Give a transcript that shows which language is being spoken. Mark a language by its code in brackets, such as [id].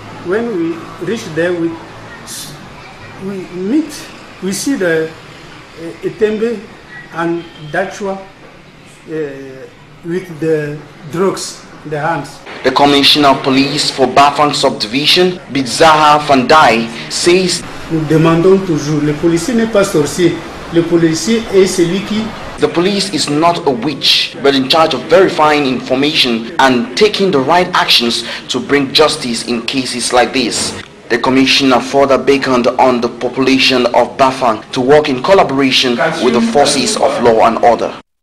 [en] When we reach there, we see Etembe and Dachua with the drugs in their hands. The Commissioner of Police for Bafang Subdivision, Bizaha Fandai, says, [fr] nous demandons toujours, le policier n'est pas sorcier, le policier est celui qui... [en] The police is not a witch, but in charge of verifying information and taking the right actions to bring justice in cases like this. The commissioner further beckoned on the population of Bafang to work in collaboration with the forces of law and order.